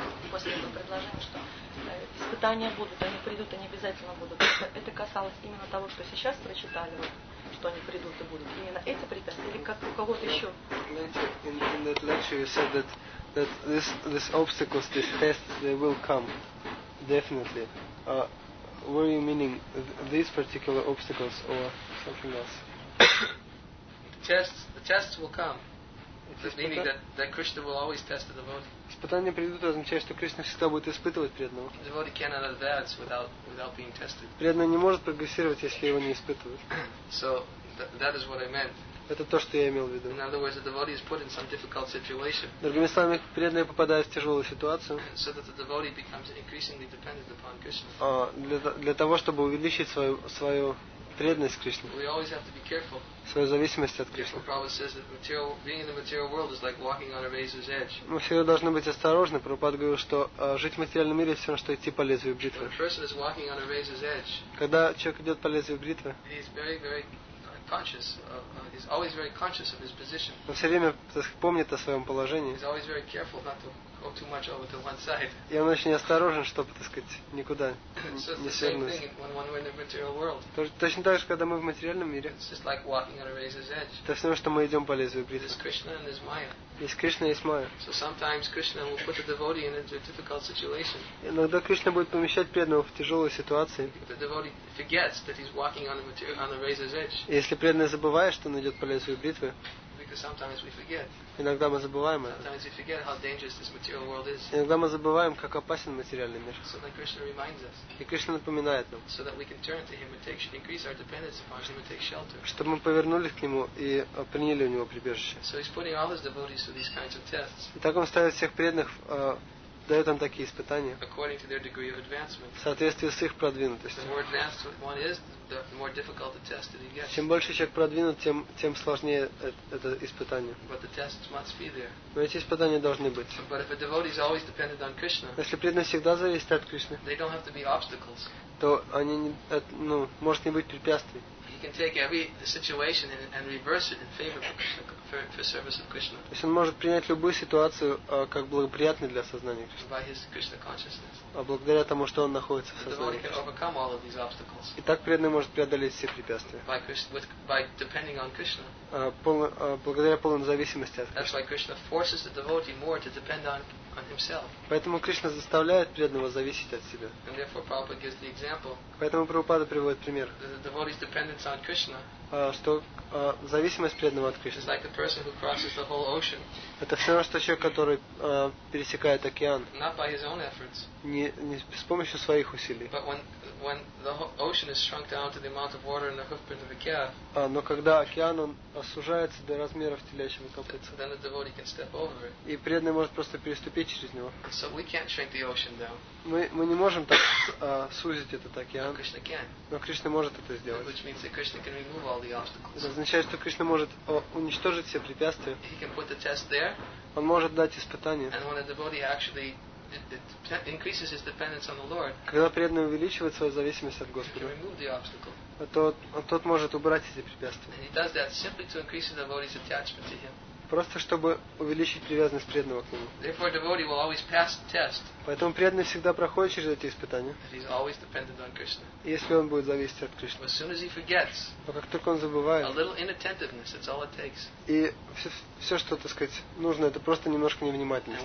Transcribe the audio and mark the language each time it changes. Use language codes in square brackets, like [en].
[ru] После этого предложения, что испытания будут, они придут, они обязательно будут. Это касалось именно того, что сейчас прочитали, вот, что они придут и будут. Именно эти препятствия или как у кого-то еще? [en] In that lecture you said that this obstacles, these tests, they will come definitely. Were you meaning these particular obstacles or something else? The tests will come. Meaning that Krishna will always test the devotee. [ru] Испытания придут, означает, что Кришна всегда будет испытывать преданного. [en] The devotee cannot advance without being tested. [ru] Преданный не может прогрессировать, если его не испытывают. [en] So That is what I meant. [ru] Это то, что я имел в виду. [en] In other words, the devotee is put in some difficult situation. [ru] Другими словами, преданный попадает в тяжелую ситуацию. [en] So that the devotee becomes increasingly dependent upon Krishna. [ru] Для того, чтобы увеличить свою преданность Кришне. [en] We always have to be careful. [ru] Свою зависимость от Кришны. [en] Prabhupada says that material, being in the material world is like walking on a razor's edge. [ru] Мы всегда должны быть осторожны. Прабхупада говорил, что жить в материальном мире все равно, что идти по лезвию бритвы. [en] When a person is walking on a razor's edge. [ru] Когда человек идет по лезвию бритвы. [en] He's very, very conscious. He's always very conscious of his position. [ru] Он все время помнит о своем положении. [en] He's always very careful not to go too much over to one side. [ru] И он очень осторожен, чтобы, так сказать, никуда не свернуть. [en] So it's the same thing when we're in the material world. [ru] Точно так же, когда мы в материальном мире. [en] It's just like walking on a razor's edge. [ru] То есть, что мы идем по лезвию бритвы. [en] There's Krishna and there's Maya. [ru] Есть Кришна и есть Майя. [en] So sometimes Krishna will put the devotee into a difficult situation. [ru] Иногда Кришна будет помещать преданного в тяжелой ситуации. [en] If the devotee forgets that he's walking on a razor's edge. [ru] Если преданный забывает, что он идет по лезвию бритвы. [en] Because sometimes we forget. [ru] Иногда мы забываем это. [en] Sometimes we forget how dangerous this material world is. [ru] Иногда мы забываем, как опасен материальный мир. [en] So then Krishna reminds us. [ru] И Кришна напоминает нам. [en] So that we can turn to him and take, increase our dependence upon him and take shelter. [ru] Чтобы мы повернулись к нему и приняли у него прибежище. [en] So he's putting all his devotees through these kinds of tests. [ru] И так он ставит всех преданных, дает им такие испытания. [en] According to their degree of advancement. [ru] В соответствии с их продвинутостью. [en] The more advanced one is, the more difficult the test that he gets. [ru] Чем больше человек продвинут, тем сложнее это испытание. [en] But the tests must be there. [ru] Но эти испытания должны быть. [en] But if a devotee is always dependent on Krishna, [ru] если преданный всегда зависит от Кришны, [en] they don't have to be obstacles. [ru] То они может не быть препятствий. [en] He can take every situation and reverse it in favor of Krishna. For service of Krishna. [ru] То есть он может принять любую ситуацию как благоприятную для сознания Кришны. [en] By his Krishna consciousness. [ru] А благодаря тому, что он находится в сознании Кришны. [en] The devotee can overcome all of these obstacles. [ru] И так преданный может преодолеть все препятствия. [en] By depending on Krishna. [ru] Благодаря полной зависимости от Кришны. [en] That's why Krishna forces the devotee more to depend on himself. [ru] Поэтому Кришна заставляет преданного зависеть от себя. [en] And therefore Prabhupada gives the example. [ru] Поэтому Прабхупада приводит пример. [en] The devotee's dependence on Krishna. [ru] Зависимость преданного от Кришны. [en] It's like the person who crosses the whole ocean. [ru] Это все равно, что человек, который пересекает океан. [en] Not by his own efforts. [ru] Не с помощью своих усилий. [en] But when the ocean is shrunk down to the amount of water in the hoofprint of a cow. [ru] Но когда океан он сужается до размеров телячьего копытца. [en] Then the devotee can step over it. [ru] И преданный может просто переступить через него. [en] So we can't shrink the ocean down. [ru] Мы не можем так сузить этот океан. [en] But Krishna can. [ru] Но Кришна может это сделать. [en] Which means that Krishna can remove all the obstacles. [ru] Это означает, что Кришна может уничтожить все препятствия. [en] He can put the test there. [ru] Он может дать испытание. [en] And when the devotee actually increases his dependence on the Lord. [ru] Когда преданный увеличивает свою зависимость от Господа, тот может убрать эти препятствия. [en] And he does that simply to increase the devotee's attachment to him. [ru] Просто чтобы увеличить привязанность преданного к нему. [en] Therefore, devotee will always pass the test. [ru] Поэтому преданный всегда проходит через эти испытания. [en] He's always dependent on Krishna. [ru] Если он будет зависеть от Кришны. [en] As soon as he forgets. [ru] Но как только он забывает. [en] A little inattentiveness, that's all it takes. [ru] И все, что, так сказать, нужно, это просто немножко невнимательность.